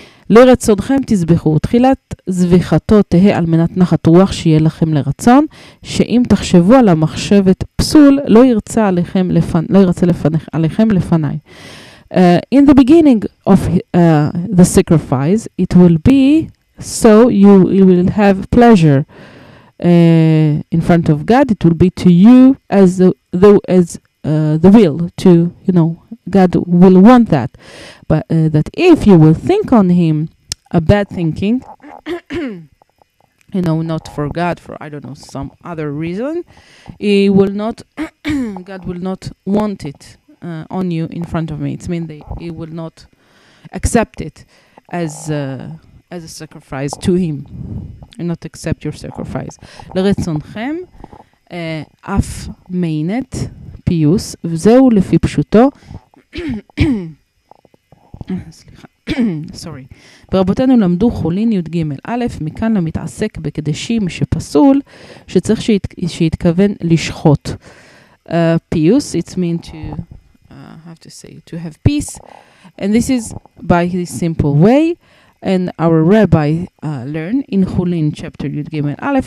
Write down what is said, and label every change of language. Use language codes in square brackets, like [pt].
[he] לרצונכם תזבחו, תחילת זביחתו תהיה על מנת נחת רוח שיהיה לכם לרצון, שאם תחשבו על המחשבת פסול, לא ירצה עליכם לפניי. [en] In the beginning of the sacrifice, it will be so you will have pleasure in front of God. It will be to you as the will to, you know, God will want that. But that if you will think on him a bad thinking, you know, not for God, for, I don't know, some other reason, he will not, God will not want it on you in front of me. It means he will not accept it as a sacrifice to him. And not accept your sacrifice. [he] לרצונכם, אף מיינת פיוס, וזהו לפי פשוטו. סליחה. [en] Sorry. [he] ברבותינו למדו חולין י' ג' א', מכאן למתעסק בקדשים שפסול, שצריך שיתכוון לשחוט. [en] Peace, it's mean to, have to say, to have peace. And this is by this simple way. And our rabbi learned in Chulin chapter Yud Gimel Aleph.